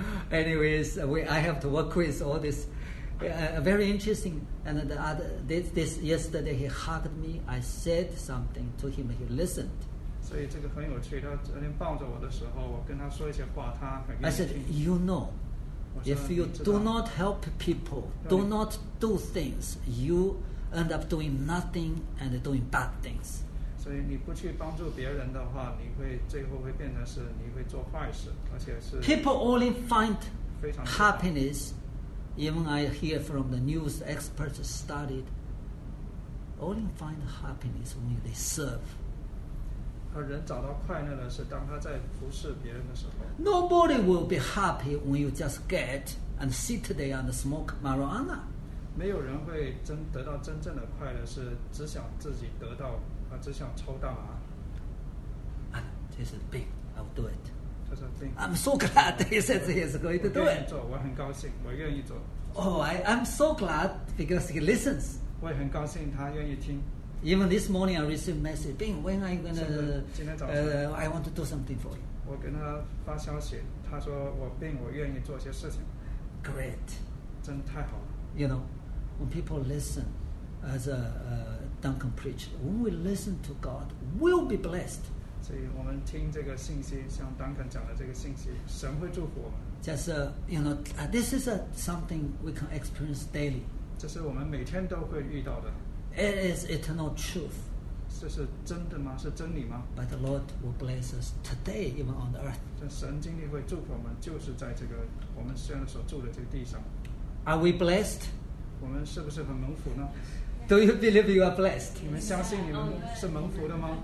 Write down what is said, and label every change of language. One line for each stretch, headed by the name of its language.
English: Anyways, I have to work with all this. Very interesting. And the other, this yesterday, he hugged me. I said something to him. He listened.
Chinese: 所以这个很有趣。他昨天抱着我的时候，我跟他说一些话，他很愿意听。
English: I said, you know, if you do not help people, do not do things, you... end up doing nothing and doing bad things.
Chinese: 所以你不去帮助别人的话，你会最后会变成是你会做坏事，而且是。
English: People only find happiness, even I hear from the news experts studied. Only find happiness when they serve.
Chinese: 而人找到快乐的是当他在服侍别人的时候。
English: Nobody will be happy when you just get and sit there and smoke marijuana.
Chinese: 没有人会真得到真正的快乐，是只想自己得到，啊，只想抽大麻。
English: He said, "Bing, I'll do it."
Chinese: 他说 ，Bing,
English: I'm so glad. He says he is going to do it.
Chinese: 我愿意做，我很高兴，我愿意做。
English: Oh, I'm so glad because he listens.
Chinese: 我也很高兴，他愿意听。
English: Even this morning, I received a message, "Bing, when are you going to?
Chinese: 今天早上
English: I want to do something for you."
Chinese: 我跟他发消息，他说我 Bing, 我愿意做些事情。
English: Great,
Chinese: 真太好了。
English: You know, when people listen, as Duncan preached, when we listen to God, we'll be blessed.
Chinese: 所以我们听这个信息，像 Duncan 讲的这个信息，神会祝福我们。
English: Just you know, this is something we can experience daily.
Chinese: 这是我们每天都会遇到的。
English: It is eternal truth.
Chinese: 这是真的吗？是真理吗？
English: But the Lord will bless us today, even on the earth.
Chinese: 这神今天会祝福我们，就是在这个我们现在所住的这个地上。
English: Are we blessed?
Chinese: 我们是不是很蒙福呢？
English: Do you believe you are blessed?
Chinese: 你们相信你们是蒙福的吗？